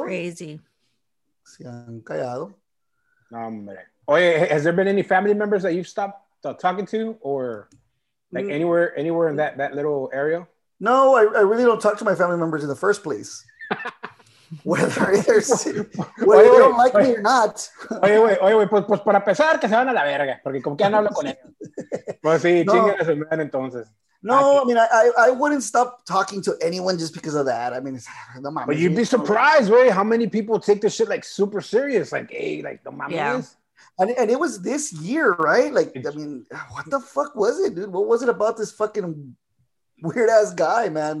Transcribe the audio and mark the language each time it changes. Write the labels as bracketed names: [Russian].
[English] Crazy. [Spanish] Se han callado. [English] Number. [Spanish] Oye, [English] has there been any family members that you've stopped talking to, or like anywhere in that little area? No, I really don't talk to my family members in the first place. whether they don't like me or not. [Spanish] Oye, pues para empezar, que se van a la verga, porque como que ya no hablo con ellos. Pues sí, no. Chingue a su man, entonces. [English] No, okay. I mean, I wouldn't stop talking to anyone just because of that. I mean, it's, [Spanish] no mames. [English] But you'd be surprised, right? How many people take this shit like super serious? Like, hey, like, [Spanish] no mames. [English] Yeah. And it was this year, right? Like, I mean, what the fuck was it, dude? What was it about this fucking weird ass guy, man?